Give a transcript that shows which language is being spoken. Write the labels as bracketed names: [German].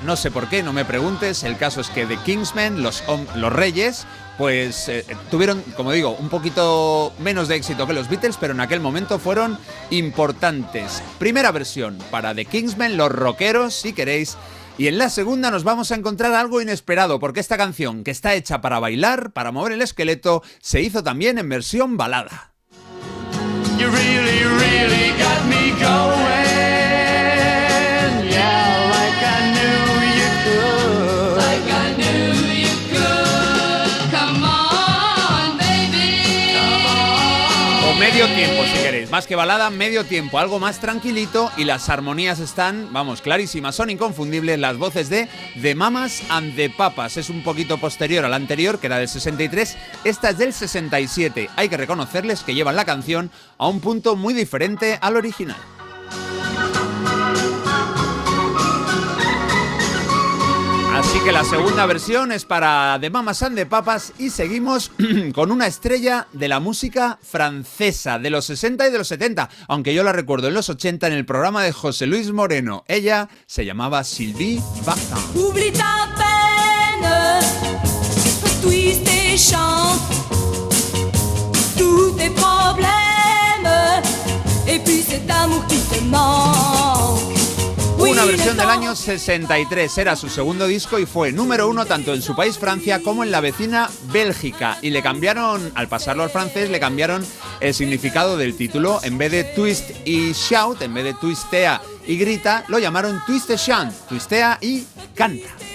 [Spanish] No sé por qué, no me preguntes. El caso es que The Kingsmen, los reyes, pues tuvieron, como digo, un poquito menos de éxito que los Beatles, pero en aquel momento fueron importantes. Primera versión para The Kingsmen, los rockeros, si queréis. Y en la segunda nos vamos a encontrar algo inesperado, porque esta canción, que está hecha para bailar, para mover el esqueleto, se hizo también en versión balada. [English] You really, really got me going. Yeah, like I knew you could. Like I knew you could. Come on, baby. Come on. [Spanish] O medio tiempo, si queréis. Más que balada, medio tiempo. Algo más tranquilito y las armonías están, vamos, clarísimas. Son inconfundibles las voces de The Mamas and the Papas. Es un poquito posterior a la anterior, que era del 63. Esta es del 67. Hay que reconocerles que llevan la canción a un punto muy diferente al original. Así que la segunda versión es para The Mamas and the Papas y seguimos con una estrella de la música francesa de los 60 y de los 70, aunque yo la recuerdo en los 80 en el programa de José Luis Moreno. Ella se llamaba Sylvie Vartan. [French] Oublie ta peine, twist et chante, tous tes problèmes, et puis cet amour qui te manque. [Spanish] Una versión del año 63, era su segundo disco y fue número uno tanto en su país Francia como en la vecina Bélgica. Y le cambiaron, al pasarlo al francés, le cambiaron el significado del título. En vez de twist y shout, en vez de twistea y grita, lo llamaron twist et chant, twistea y canta.